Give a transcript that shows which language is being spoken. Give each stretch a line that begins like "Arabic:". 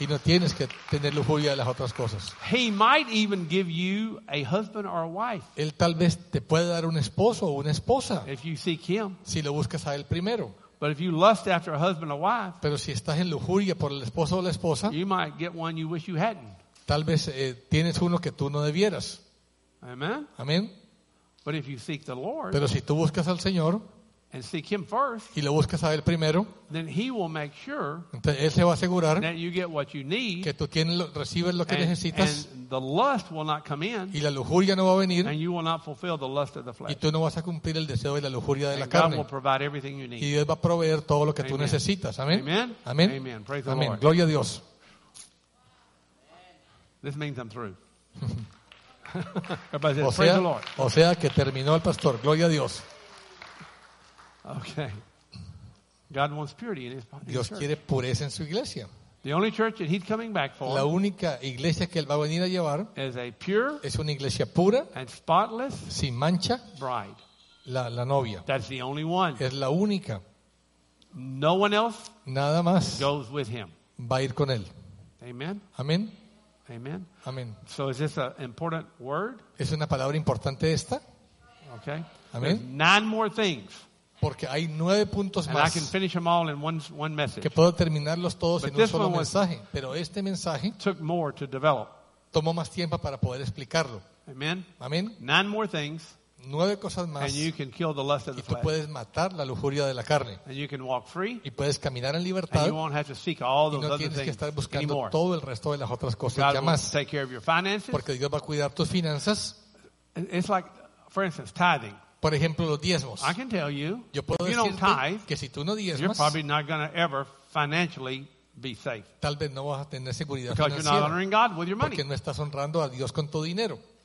Spanish: Y no tienes que tener lujuria de las otras cosas.
English: He might even give you a husband or a wife.
Spanish: Él tal vez te puede dar un esposo o una esposa.
English: If you seek him.
Spanish: Si lo buscas a él primero.
English: But if you lust after a husband or wife,
Spanish: pero si estás en lujuria por el esposo o la esposa,
English: you might get one you wish you hadn't.
Spanish: Tal vez tienes uno que tú no debieras.
English: Amen.
Spanish: Amen.
English: But if you seek the Lord,
Spanish: pero si tú buscas al Señor,
English: and seek him first,
Spanish: y lo buscas a él primero,
English: then he will make sure,
Spanish: entonces él se va a asegurar,
English: that you get what you need,
Spanish: que tú tienes lo, recibes lo que
English: and,
Spanish: necesitas,
English: and the lust will not come in,
Spanish: y la lujuria no va a venir,
English: and you will not fulfill the lust of the flesh,
Spanish: y tú no vas a cumplir el deseo de la lujuria de
English: and
Spanish: la
English: God
Spanish: carne,
English: will provide everything you need.
Spanish: Y Dios va a proveer todo lo que
English: amen.
Spanish: Tú necesitas. Amén.
English: Amen.
Spanish: Amen.
English: Amen. Praise the Lord.
Spanish: Gloria a Dios.
English: This means I'm through. Everybody says, praise the Lord.
Spanish: O sea que terminó el pastor. Gloria a Dios.
English: Okay. God wants purity in his church.
Spanish: Dios quiere pureza en su iglesia.
English: The only church that he's coming back for,
Spanish: la única iglesia que él va a venir a llevar,
English: is a pure,
Spanish: es una iglesia pura,
English: and spotless,
Spanish: sin mancha,
English: bride.
Spanish: La novia.
English: That's the only one.
Spanish: Es la única.
English: No one else,
Spanish: nada más,
English: goes with him.
Spanish: Va a ir con él.
English: Amen.
Spanish: Amén.
English: Amen.
Spanish: Amén.
English: So is this an important word?
Spanish: ¿Es una palabra importante esta?
English: Okay.
Spanish: Amén.
English: There's 9 more things.
Spanish: Porque hay 9 puntos
English: and
Spanish: más.
English: I can finish them all in one message.
Spanish: Que puedo terminarlos todos
English: but
Spanish: en un solo mensaje. Pero este mensaje
English: took more to develop.
Spanish: Tomó más tiempo para poder explicarlo.
English: Amen.
Spanish: Amén.
English: 9 more things.
Spanish: 9 cosas más.
English: And you can kill the lust of the flesh.
Spanish: Y tú puedes matar la lujuria de la carne.
English: And you can walk free.
Spanish: Y puedes caminar en libertad.
English: And you won't have to seek all those
Spanish: y no
English: other
Spanish: tienes que estar buscando
English: anymore.
Spanish: Todo el resto de las otras cosas.
English: God
Spanish: ya más.
English: Will take care of your finances.
Spanish: Porque Dios va a cuidar tus finanzas.
English: It's like, for instance, tithing.
Spanish: Por ejemplo, los diezmos.
English: I can tell you,
Spanish: yo puedo
English: if you
Spanish: decirte
English: don't tithe,
Spanish: que si tú no diezmas,
English: you're probably not going to ever financially be safe.
Spanish: Tal vez no vas a tener seguridad
English: because
Spanish: financiera.
English: You're not honoring God with your money.
Spanish: Porque no estás honrando a Dios con tu dinero.